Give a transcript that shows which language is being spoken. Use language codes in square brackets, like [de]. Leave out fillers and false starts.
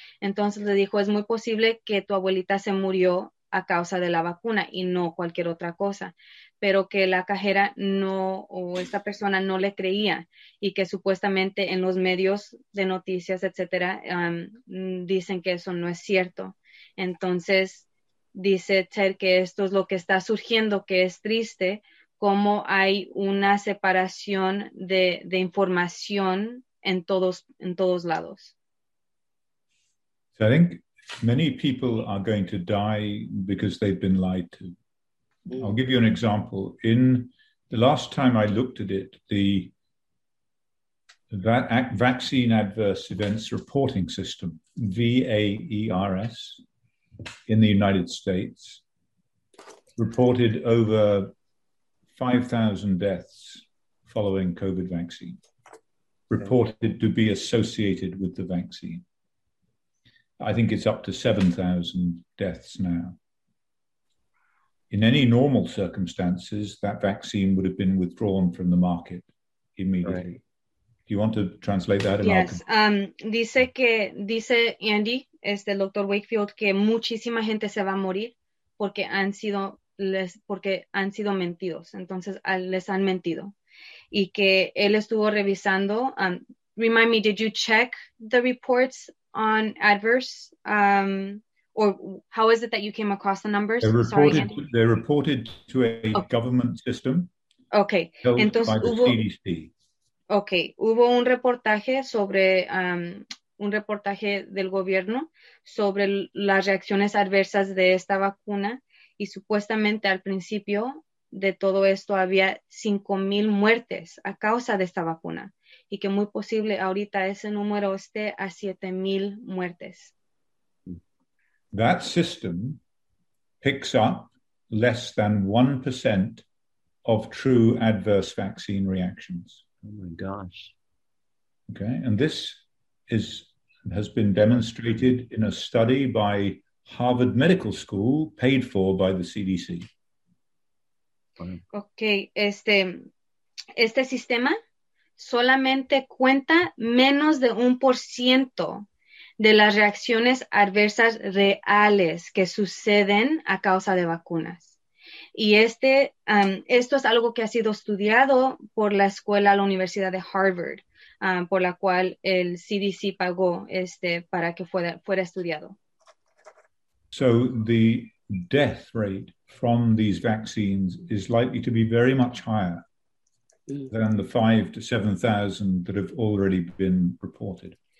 [es] Entonces le dijo, es muy posible que tu abuelita se murió a causa de la vacuna y no cualquier otra cosa, pero que la cajera no, o esta persona no le creía, y que supuestamente en los medios de noticias, etcétera, dicen que eso no es cierto. Entonces dice Ted que esto es lo que está surgiendo, que es triste cómo hay una separación de información en todos lados. [en] So I think many people are going to die because they've been lied to. I'll give you an example. In the last time I looked at it, the Vaccine Adverse Events Reporting System, VAERS, in the United States, reported over 5,000 deaths following COVID vaccine, reported to be associated with the vaccine. I think it's up to 7,000 deaths now. In any normal circumstances, that vaccine would have been withdrawn from the market immediately. Right. Do you want to translate that? [es] Yes. Dice Andy, el Dr. Wakefield, que muchísima gente se va a morir porque han sido mentidos. Entonces, les han mentido. Y que él estuvo revisando. [en] Remind me, did you check the reports on adverse? Or how is it that you came across the numbers? They're reported to a government system. Okay. [es] Entonces, CDC. [en] Okay. [es] Hubo un reportaje sobre un reportaje del gobierno sobre las reacciones adversas de esta vacuna. Y supuestamente al principio de todo esto había 5,000 muertes a causa de esta vacuna. Y que muy posible ahorita ese número esté a 7,000 muertes. [en] That system picks up less than 1% of true adverse vaccine reactions. Oh my gosh. Okay, and this has been demonstrated in a study by Harvard Medical School, paid for by the CDC. [es] Okay, este sistema solamente cuenta menos de 1% de las reacciones adversas reales que suceden a causa de vacunas. Y esto es algo que ha sido estudiado por la escuela, la Universidad de Harvard, por la cual el CDC pagó para que fuera estudiado. [en] So the death rate from these vaccines is likely to be very much higher than the 5,000 to 7,000 that have already been reported.